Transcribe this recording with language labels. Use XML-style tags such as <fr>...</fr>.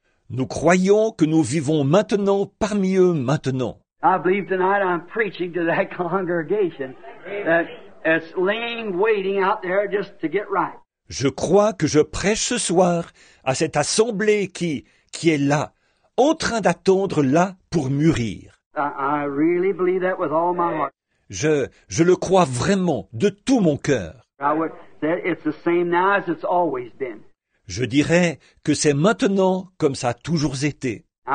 <fr>Nous croyons que nous vivons maintenant parmi eux maintenant.</fr> <en>I believe tonight I'm preaching to that congregation that is laying waiting out there just to get right.</en> <fr>Je crois que je prêche ce soir à cette assemblée qui est là, en train d'attendre là pour mûrir.</fr> <en>I really believe that with all my heart.</en> <fr>Je le crois vraiment de tout mon cœur.</fr> <en>I would say it's the same now as it's always been.</en> <fr>Je dirais que c'est maintenant comme ça a toujours été.</fr>